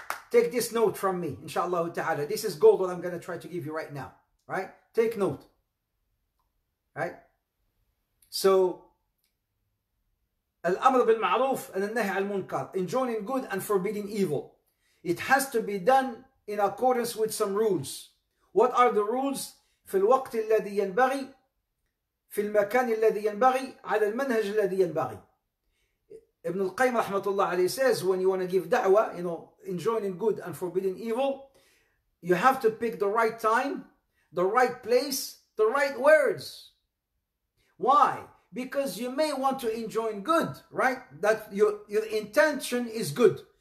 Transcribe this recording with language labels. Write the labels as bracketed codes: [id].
[en] Take this note from me, inshallah ta'ala. This is gold what I'm going to try to give you right now. Right? Take note. Right? So, [ar] al-amr bil-ma'roof and al-nahy al-munkar. [en] Enjoining good and forbidding evil. It has to be done in accordance with some rules. What are the rules? [ar] في الوقت الذي ينبغي في المكان الذي ينبغي على المنهج الذي ينبغي. [en] Ibn al-Qayyim rahmatullah alayhi says, when you want to give da'wah, you know, enjoining good and forbidding evil, you have to pick the right time, the right place, the right words. Why? Because you may want to enjoin good, right? That your intention is good.